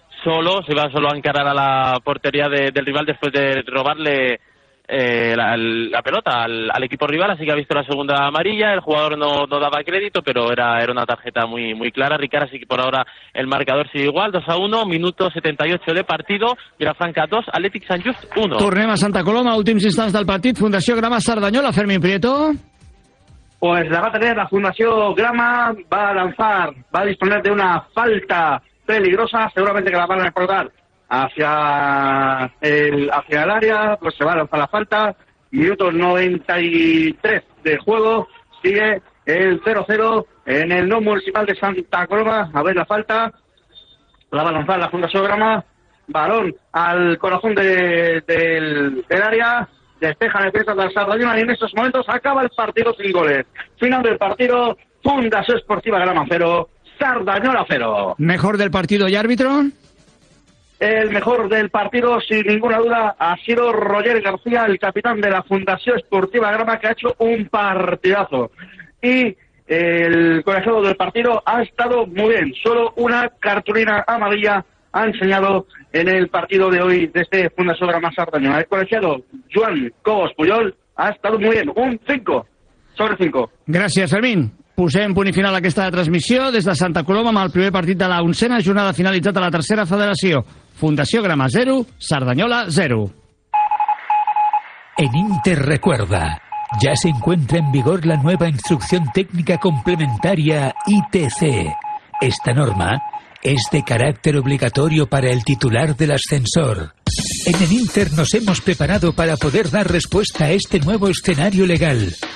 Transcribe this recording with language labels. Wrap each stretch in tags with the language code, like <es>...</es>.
<es>solo, se va solo a encarar a la portería del rival después de robarle la pelota al equipo rival, así que ha visto la segunda amarilla, el jugador no daba crédito, pero era una tarjeta muy muy clara, Ricard, así que por ahora el marcador sigue igual, 2-1, minuto 78 de partido, Vilafranca 2, Atlètic Sant Just 1.</es> <ca>Tornem a Santa Coloma, últims instants del partit, Fundació Grama Cerdanyola, Fermín Prieto.</ca> <es>Pues la va a tener la Fundació Grama, va a disponer de una falta peligrosa, seguramente que la van a recordar hacia el área, pues se va a lanzar la falta, minuto 93 de juego, sigue el 0-0 en el no municipal de Santa Coloma, a ver la falta, la va a lanzar la Fundación Grama, balón al corazón del área, despeja la defensa del Sardañola y en estos momentos acaba el partido sin goles, final del partido, Fundación Esportiva Grama 0, Sardañola 0. ¿Mejor del partido y árbitro? El mejor del partido, sin ninguna duda, ha sido Roger García, el capitán de la Fundación Esportiva Grama, que ha hecho un partidazo. Y el colegiado del partido ha estado muy bien. Solo una cartulina amarilla ha enseñado en el partido de hoy desde Fundación Grama Sardañola. El colegiado Joan Cobos Puyol</es> <ca>Ha estat molt bé. Un 5 sobre 5. Gràcies, Fermín. Posem punt i final a aquesta transmissió des de Santa Coloma amb el primer partit de la 11a jornada finalitzat a la tercera federació. Fundació Grama 0, Cerdanyola 0.</ca> <es>En Inter recuerda, ya se encuentra en vigor la nueva instrucción técnica complementaria ITC. Esta norma es de carácter obligatorio para el titular del ascensor. En el Inter nos hemos preparado para poder dar respuesta a este nuevo escenario legal.</es>